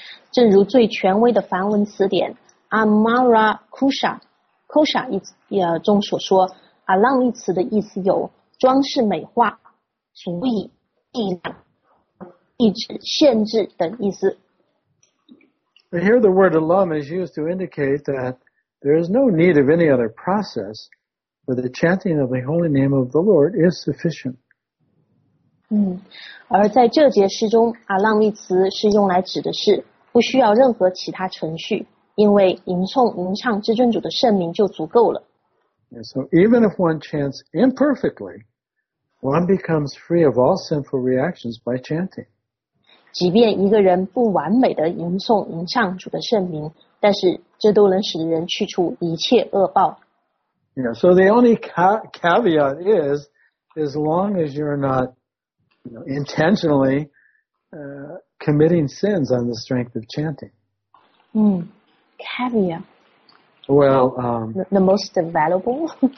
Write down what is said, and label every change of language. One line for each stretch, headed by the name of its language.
Chinese: 正如最权威的梵文词典 Amara Kosha,Kosha 中所说 ，alam 一词的意思有装饰、美化、足以、力量、抑制、限制等意思。
English: Here the word alam is used to indicate that there is no need of any other process, but the chanting of the holy name of the Lord is sufficient.
Chinese: 而在这节诗中 ，alam 一词是用来指的是不需要任何其他程序。因为吟诵吟唱至尊主的圣名就足够了。
English: Yeah, so even if one chants imperfectly, one becomes free of all sinful reactions by chanting.
Chinese: 即便一个人不完美的吟诵吟唱主的圣名，但是这都能使人去除一切恶报。
English: Yeah, so the only caveat is, as long as you're not, you know, intentionally committing sins on the strength of chanting. Caviar. Well, the most valuable.